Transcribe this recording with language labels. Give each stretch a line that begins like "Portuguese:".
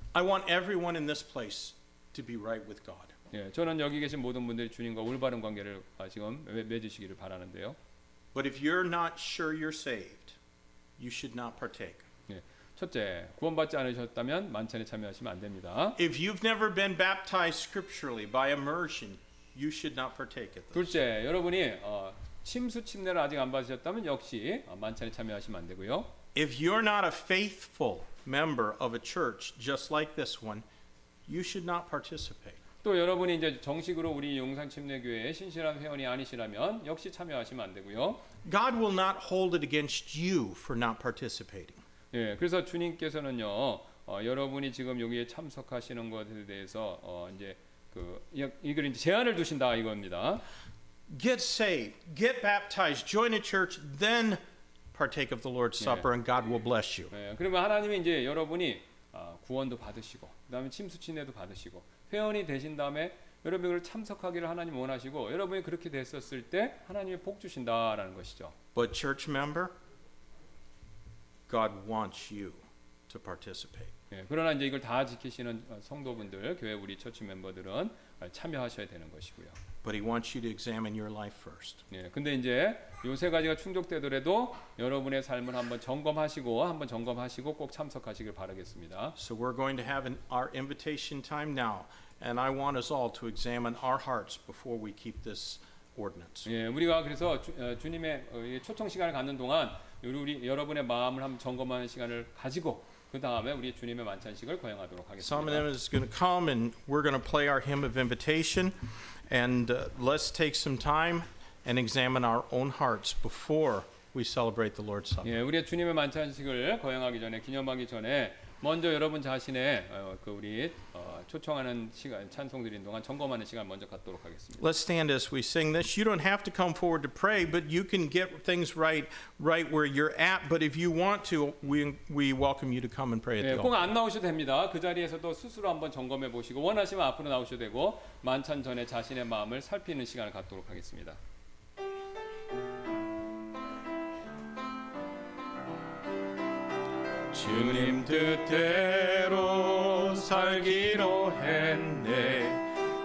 English: I want everyone in this place to be right with God.
Korean: 예, 저는 여기 계신 모든 분들이 주님과 올바른 관계를 지금 맺으시기를 바라는데요.
English: But if you're not sure you're saved, you should not partake.
Korean: 예, 첫째, 구원받지 않으셨다면 만찬에 참여하시면 안 됩니다.
English: If you've never been baptized scripturally by immersion, you should not partake at this.
Korean: 둘째, 여러분이 침수 침례를 아직 안 받으셨다면 역시 만찬에 참여하시면 안 되고요.
English: If you're not a faithful member of a church just like this one, you should not participate.
Korean: 또 여러분이 이제 정식으로 우리 용산 침례교회에 신실한 회원이 아니시라면 역시 참여하시면 안 되고요.
English: God will not hold it against you for not participating.
Korean: 예, 그래서 주님께서는요, 여러분이 지금 여기에 참석하시는 것에 대해서 이제 그 이걸 이제 제안을 두신다 이겁니다.
English: Get saved, get baptized, join a church, then partake of the Lord's Supper, 예, and God will bless you.
Korean: 예, 그러면 하나님이 이제 여러분이 구원도 받으시고, 그다음에 침수 침례도 받으시고. 회원이 되신 다음에 여러분을 참석하기를 하나님 원하시고 여러분이 그렇게 됐었을 때 하나님이 복 주신다라는 것이죠.
English: But church member, God wants you to participate.
Korean: 예, 그러나 이제 이걸 다 지키시는 성도분들, 교회 우리 처치 멤버들은 참여하셔야 되는 것이고요.
English: But he wants you to examine your life first.
Korean: 예, 근데 이제 요 세 가지가 충족되더라도 여러분의 삶을 한번 점검하시고 꼭 참석하시길 바라겠습니다.
English: So we're going to have our invitation time now, and I want us all to examine our hearts before we keep this ordinance.
Korean: 예, 우리가 그래서 주님의 초청 시간을 갖는 동안 우리 여러분의 마음을 한번 점검하는 시간을 가지고. 그 다음에 우리 주님의 만찬식을 거행하도록 하겠습니다.
English: Someone is going to come and we're going to play our hymn of invitation and let's take some time and examine our own hearts before we celebrate the Lord's Supper.
Korean: 예, 우리 주님의 만찬식을 거행하기 전에 기념하기 전에 먼저 여러분 자신의 그 우리 초청하는 시간 찬송 드린 동안 점검하는 시간 먼저 갖도록 하겠습니다.
English: Let's stand as we sing this. You don't have to come forward to pray, but you can get things right where you're at. But if you want to, we welcome you to come and pray at the altar.
Korean: 예, 꼭 안 나오셔도 됩니다. 그 자리에서도 스스로 한번 점검해 보시고 원하시면 앞으로 나오셔도 되고 만찬 전에 자신의 마음을 살피는 시간을 갖도록 하겠습니다. 주님 뜻대로 살기로 했네.